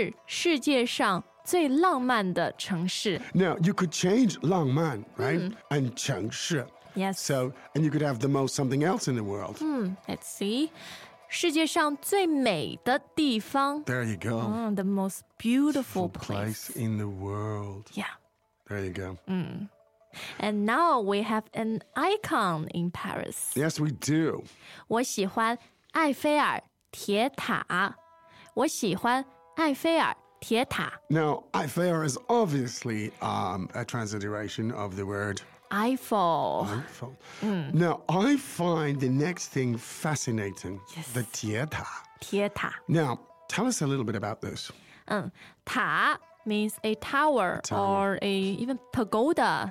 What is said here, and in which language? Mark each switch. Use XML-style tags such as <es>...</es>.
<zh>是世界上最浪漫的城市.</zh> <en>Now, you could change 浪漫, right? And 城市. Yes. So, and you could have the most something else in the world. Let's see.</en> <zh>世界上最美的地方.</zh> <en>There you go. The most beautiful place in the world. Yeah. There you go. And now we have an icon in Paris. Yes, we do.</en> <zh>我喜欢埃菲尔铁塔。我喜欢 埃菲尔铁塔.</zh> <en>Now, Eiffel is obviously a transliteration of the word Eiffel. Now, I find the next thing fascinating. Yes. The 铁塔.</en> <zh>铁塔.</zh> <en>Now, tell us a little bit about this. 塔 means a tower, or even pagoda.</en>